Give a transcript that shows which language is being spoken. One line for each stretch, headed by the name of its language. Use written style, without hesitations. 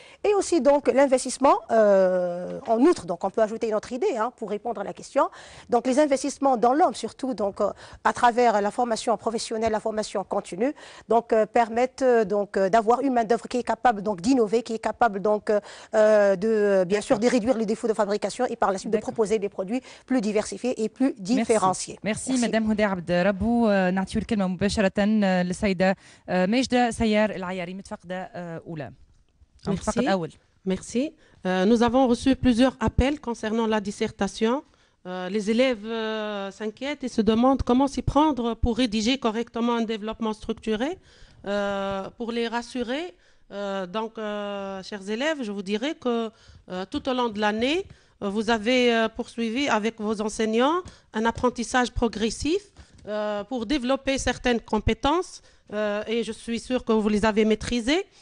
French: Et aussi donc l'investissement, en outre, donc on peut ajouter une autre idée hein, pour répondre à la question, donc les investissements dans l'homme, surtout donc à travers la formation professionnelle, la formation continue, donc permettent donc d'avoir une main-d'œuvre qui est capable donc d'innover, qui est capable donc de bien sûr de réduire les défauts de fabrication et par la suite de proposer des produits plus diversifiés et plus différenciés. Merci.
Arabic: مدام هدى عبد ربو نعطيو الكلمة مباشرة للسيدة ماجدة سيار العياري متفقدة أولى متفقدة أول
French: ميرسي nous avons reçu plusieurs appels concernant la dissertation. Les élèves s'inquiètent et se demandent comment s'y prendre pour rédiger correctement un développement structuré. Pour les rassurer, chers élèves, je vous dirai que tout au long de l'année, vous avez poursuivi avec vos enseignants un apprentissage progressif pour développer certaines compétences et je suis sûre que vous les avez maîtrisées.